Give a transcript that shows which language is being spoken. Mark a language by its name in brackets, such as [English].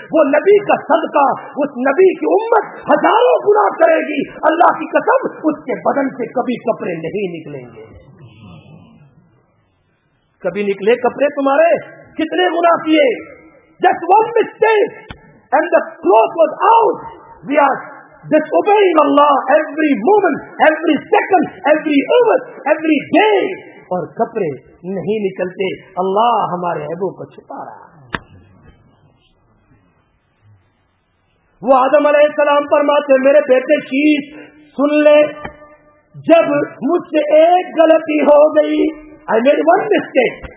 [Urdu] وہ نبی کا صدقہ، اس نبی کی امت ہزاروں گنا کرے گی، اللہ کی قسم اس کے بدن سے کبھی کپڑے نہیں نکلیں گے. کبھی نکلے کپڑے تمہارے؟ کتنے گنا کیے؟ [English] Just one mistake and the cloth was out. We are disobeying Allah every moment, every second, every hour, every day. [Urdu] اور کپڑے نہیں نکلتے، اللہ ہمارے عیبوں کو چھپا رہا. وہ آدم علیہ السلام فرماتے ہیں میرے بیٹے شیش سن لے، جب مجھ سے ایک غلطی ہو گئی، [English] I made one mistake.